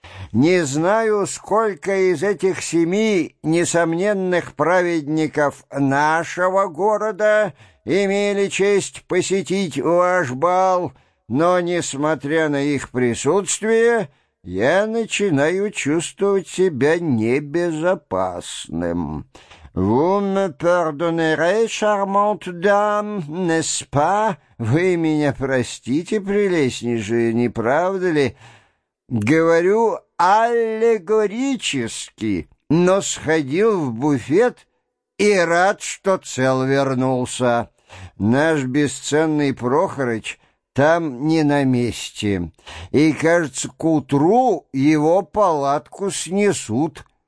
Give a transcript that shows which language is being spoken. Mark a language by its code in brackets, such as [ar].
[ru] Не знаю, сколько из этих семи несомненных праведников нашего города имели честь посетить ваш бал, но, несмотря на их присутствие, я начинаю чувствовать себя небезопасным. [fr] Vous me pardonnerez, charmante dame, n'est-ce pas? [ru] Вы меня простите, прелестнейшая, не правда ли? Говорю аллегорически, но сходил в буфет и рад, что цел вернулся. Наш бесценный Прохорыч там не на месте, и, кажется, к утру его палатку снесут.